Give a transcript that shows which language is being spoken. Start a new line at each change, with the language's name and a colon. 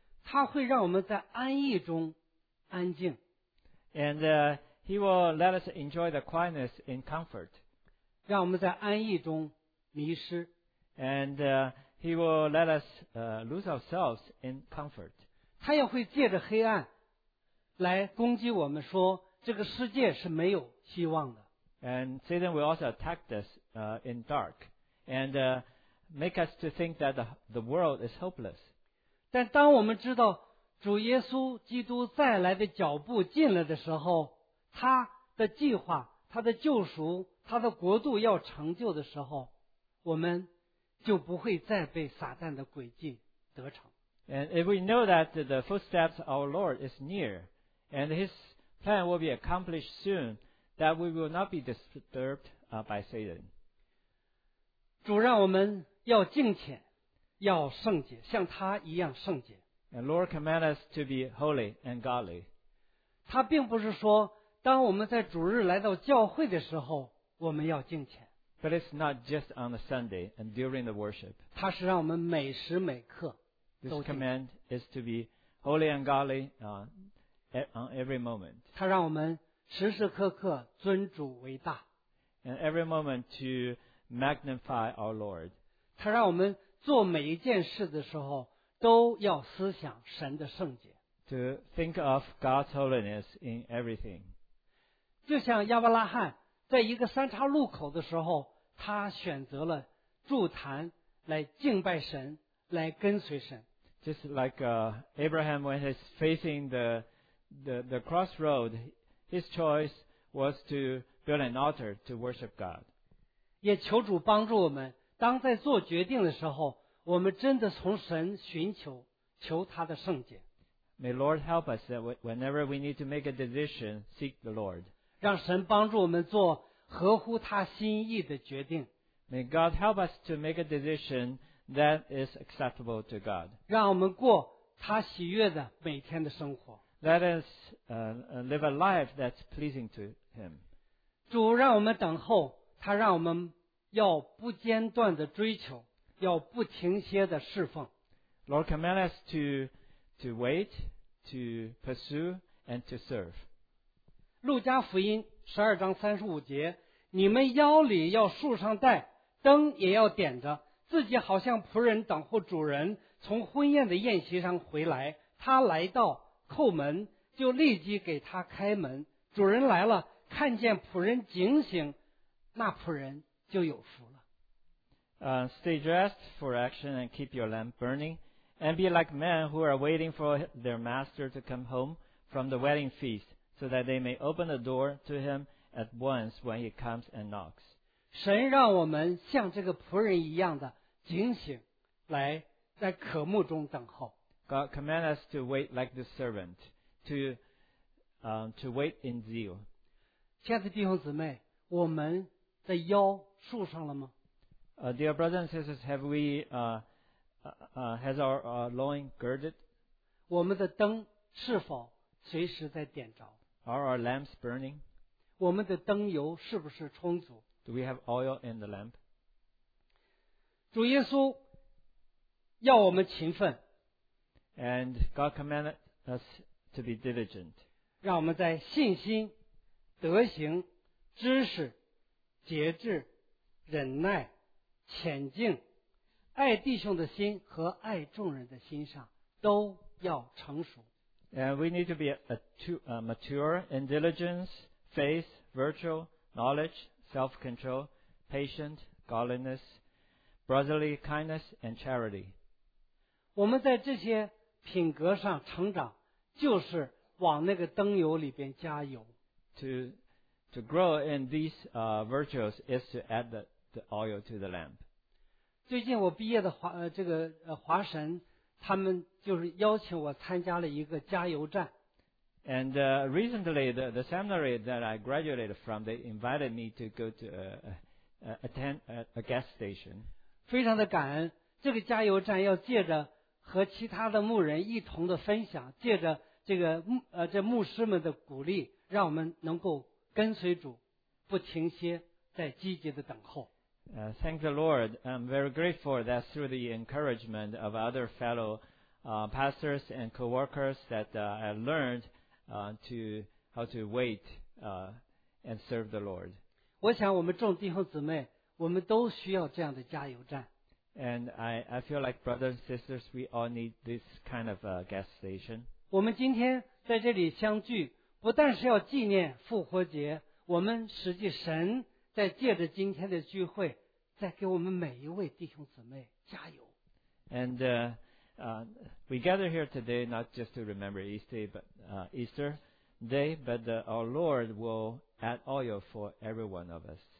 Chinese: 他会让我们在安逸中安静。
English: And he will let us enjoy the quietness in comfort.
Chinese: 让我们在安逸中迷失。
English: And he will let us lose ourselves in comfort.
Chinese: 他也会借着黑暗来攻击我们，说这个世界是没有希望的。
English: And Satan will also attack us in dark and make us to think that the world is hopeless.
Chinese: 但当我们知道主耶稣基督再来的脚步近了的时候，他的计划、他的救赎、他的国度要成就的时候，我们就不会再被撒旦的诡计得逞。
English: And if we know that the footsteps of our Lord is near and his plan will be accomplished soon,that we will not be disturbed by Satan.
Chinese: 主让我们要敬虔，要圣洁，像他一样圣洁。
English: And Lord command us to be holy and godly.
Chinese: 他并不是说，当我们在主日来到教会的时候，我们要敬虔。
English: But it's not just on the Sunday and during the worship.
Chinese: 他是让我们每时每刻都。
English: This command is to be holy and godly on every moment.
Chinese: 他让我们时时刻刻尊主为大。
English: And every moment to magnify our Lord.
Chinese: 他让我们做每一件事的时候都要思想神的圣洁。
English: To think of God's holiness in everything.
Chinese: 就像亚伯拉罕在一个三岔路口的时候，他选择了筑坛来敬拜神，来跟随神。
English: Just like Abraham when he's facing the crossroad,His choice was to build an altar to worship God.
Chinese: 也求主帮助我们，当在做决定的时候，我们真的从神寻求，求他的圣洁。
English: May Lord help us that whenever we need to make a decision, seek the Lord.
Chinese: 让神帮助我们做合乎他心意的决定。
English: May God help us to make a decision that is acceptable to God.
Chinese: 让我们过他喜悦的每天的生活。
English: Let us live a life that's pleasing to Him.
Chinese: 主让我们等候，他让我们要不间断的追求，要不停歇的侍奉。
English: Lord command us to wait, to pursue, and to serve.
Chinese: 路加福音十二章三十五节，你们腰里要束上带，灯也要点着，自己好像仆人等候主人从婚宴的宴席上回来。他来到叩门，就立即给他开门。主人来了，看见仆人警醒，那仆人就有福了。
English: Stay dressed for action and keep your lamp burning, and be like men who are waiting for their master to come home from the wedding feast, so that they may open the door to him at once when he comes and knocks.
Chinese: 神让我们像这个仆人一样的警醒，来在渴慕中等候。
English: God command us to wait like the servant, to wait in zeal.
Chinese: 亲爱的弟兄姊妹，我们的腰束上了吗？
English: Dear brothers and sisters, have we has our loin girded?
Chinese: 我们的灯是否随时在点着？
English: Are our lamps burning?
Chinese: 我们的灯油是不是充足？
English: Do we have oil in the lamp?
Chinese: 主耶稣要我们勤奋。
English: And God commanded us to be diligent.
Chinese: 让我们在信心、德行、知识、节制、忍耐、谦敬、爱弟兄的心和爱众人的心上都要成熟。
English: And we need to be mature in diligence, faith, virtue, knowledge, self-control, patience, godliness, brotherly kindness, and charity.
Chinese: 我们在这些品格上成长，就是往那个灯油里边加油。
English: To grow in these virtues is to add the oil to the lamp.
Chinese: 最近我毕业的华神，他们就是邀请我参加了一个加油站。
English: And recently, the seminary that I graduated from, they invited me to go to attend a gas station.
Chinese: 非常的感恩，这个加油站要借着和其他的牧人一同的分享，借着这牧师们的鼓励，让我们能够跟随主，不停歇，在积极的等候。
English: Thank the Lord. I'm very grateful that through the encouragement of other fellow pastors and co-workers that I learned how to wait and serve the Lord.
Chinese: 我想我们众弟兄姊妹，我们都需要这样的加油站。
English: And I feel like brothers and sisters, we all need this kind of gas station.
Chinese: 我们今天在这里相聚，不但是要纪念复活节，我们实际神在借着今天的聚会，在给我们每一位弟兄姊妹加油。
English: And we gather here today not just to remember Easter day, but our Lord will add oil for every one of us.